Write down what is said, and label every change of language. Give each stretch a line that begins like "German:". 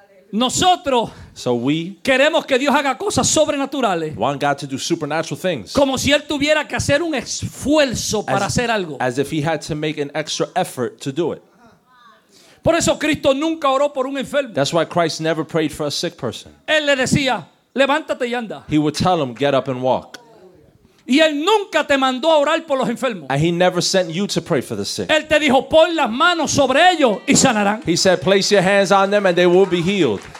Spanish: Nosotros
English: so we
Spanish: queremos que Dios haga cosas sobrenaturales.
English: Want God to do supernatural things.
Spanish: Como si él tuviera que hacer un esfuerzo para hacer algo.
English: As if he had to make an extra effort to do it.
Spanish: Por eso Cristo nunca oró por un enfermo.
English: That's why Christ never prayed for a sick person.
Spanish: Él le decía, levántate y anda.
English: He would tell him, get up and walk.
Spanish: Y él nunca te mandó a orar por los enfermos.
English: And he never sent you to pray for the sick.
Spanish: Él te dijo, pon las manos sobre ellos y sanarán.
English: He said, place your hands on them and they will be healed.